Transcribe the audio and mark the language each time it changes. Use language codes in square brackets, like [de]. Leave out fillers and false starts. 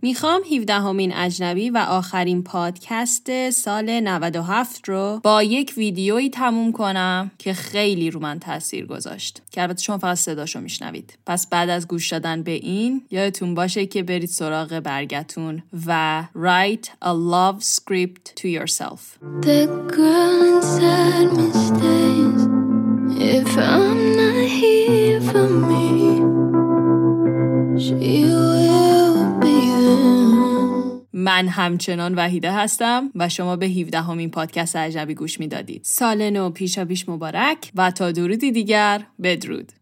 [fa] میخوام 17th اجنبی و آخرین پادکست سال 97 رو با یک ویدیویی تموم کنم که خیلی رو من تاثیر گذاشت، که البته شما فقط صداشو میشنوید. پس بعد از گوش دادن به این، یادتون باشه که برید سراغ برگتون و [en] write a love script to yourself. The girl inside me stays if I'm not here for me. She will be there. [fa] من همچنان وحیده هستم و شما به 17th پادکست عجبی گوش میدادید. سال نو پیشا پیش مبارک و تا درودی دیگر، بدرود.